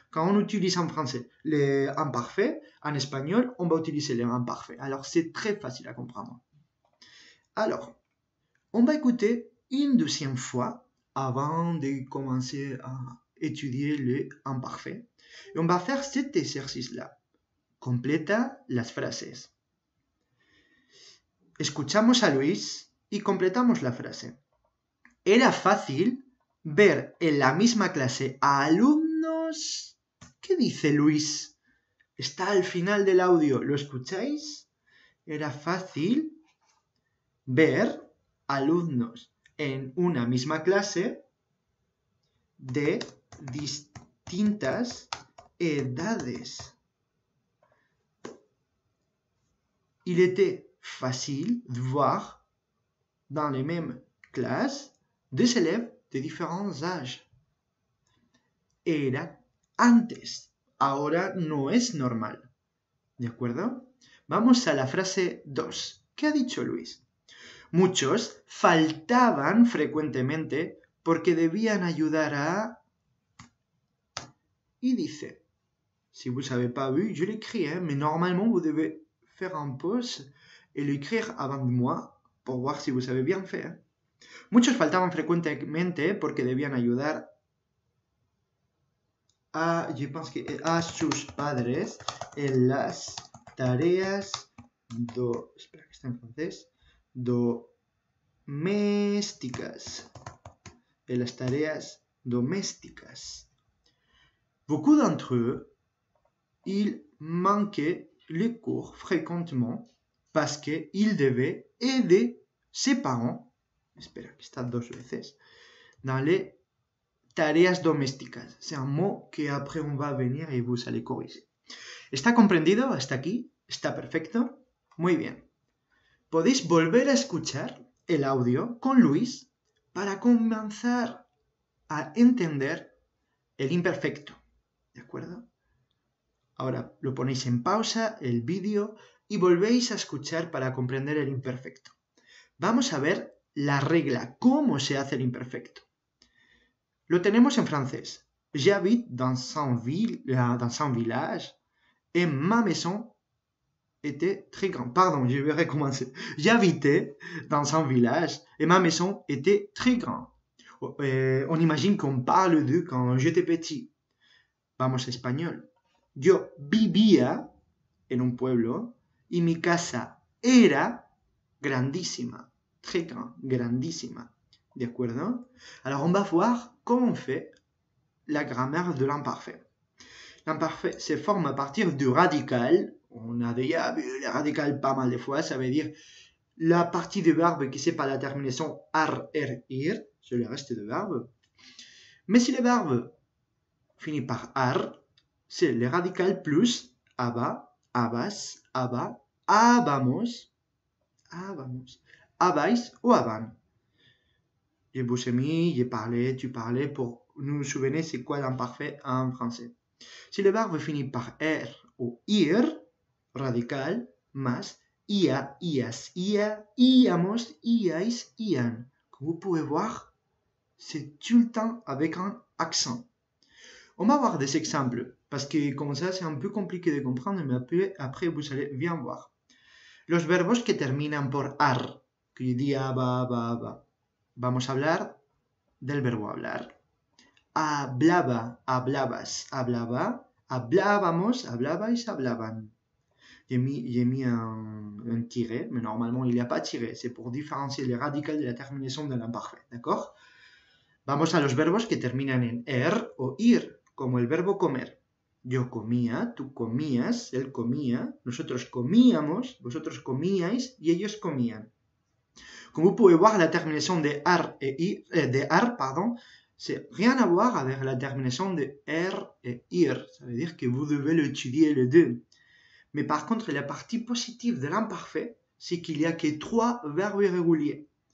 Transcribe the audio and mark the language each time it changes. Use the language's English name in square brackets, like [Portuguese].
[French] Quand on utilise en français l'imparfait, en espagnol, on va utiliser l'imparfait. Alors, c'est très facile à comprendre. Alors, on va écouter une deuxième fois avant de commencer à étudier le imparfait. Et on va faire cet exercice-là. [Spanish] Completa las frases. Escuchamos a Luis y completamos la frase. Era fácil ver en la misma clase a alumnos ¿Qué dice Luis? Está al final del audio. ¿Lo escucháis? Era fácil ver alumnos en una misma clase de distintas edades. [French] Il était facile de voir dans les mêmes classes des élèves de différents âges. [Spanish] Era antes. Ahora no es normal. ¿De acuerdo? Vamos a la frase 2. ¿Qué ha dicho Luis? Muchos faltaban frecuentemente porque debían ayudar a... Y dice, [French] si vous avez pas vu, [Spanish] yo le crié, [French] mais normalement vous devez faire un pause et l'écrire avant de moi pour voir si vous avez bien fait. [Spanish] Muchos faltaban frecuentemente porque debían ayudar a, yo pienso que a sus padres en las tareas do, espera que está en francés, domésticas, en las tareas domésticas. [French] Beaucoup d'entre eux, ils manquaient les cours fréquemment parce qu'ils devaient aider ses parents, [Spanish] espera que está dos veces, [French] dans les [Spanish] tareas domésticas. [French] C'est un mot que après on va venir et vous allez corriger. [Spanish] ¿Está comprendido hasta aquí? ¿Está perfecto? Muy bien. Podéis volver a escuchar el audio con Luis para comenzar a entender el imperfecto. ¿De acuerdo? Ahora lo ponéis en pausa, el vídeo, y volvéis a escuchar para comprender el imperfecto. Vamos a ver la regla, cómo se hace el imperfecto. Lo tenemos en francés. [French] J'habite dans un village et ma maison était très grande. Pardon, je vais recommencer. J'habitais dans un village et ma maison était très grande. On imagine qu'on parle de quand j'étais petit. [Spanish] Vamos a español. Yo vivía en un pueblo y mi casa era grandísima. [French] Très grand, [Spanish] grandísima. ¿De acuerdo? [French] Alors, on va voir comment on fait la grammaire de l'imparfait. L'imparfait se forme à partir du radical. On a déjà vu le radical pas mal de fois. Ça veut dire la partie du verbe qui sépare la terminaison ar, er, ir. C'est le reste du verbe. Mais si le verbe finit par ar, c'est le radical plus aba, abas, aba, abamos, abamos, abais ou aban. Je vous ai mis, je parlais, tu parlais pour nous souvenir c'est quoi l'imparfait en français. Si le verbe finit par er ou ir, radical, mas, ia, ias, ia, iamos, iais, ian. Comme vous pouvez voir, c'est tout le temps avec un accent. On va voir des exemples, parce que comme ça c'est un peu compliqué de comprendre, mais après vous allez bien voir. [Spanish] Los verbos que terminan por ar, que diría ba, ba, ba. Vamos a hablar del verbo hablar. Hablaba, hablabas, hablaba, hablábamos, hablabais, hablaban. [French] J'ai mis un tiré, mais normalement il n'y a pas tiré. C'est pour différencier le radical de la terminaison de l'imparfait, d'accord? [Spanish] Vamos a los verbos que terminan en er o ir, como el verbo comer. Yo comía, tú comías, él comía, nosotros comíamos, vosotros comíais y ellos comían. [French] Comme vous pouvez voir, la terminaison de ar et ir, de ar, pardon, c'est rien à voir avec la terminaison de er et ir. Ça veut dire que vous devez l'étudier les deux. Mais par contre, la partie positive de l'imparfait, c'est qu'il n'y a que trois verbes irréguliers.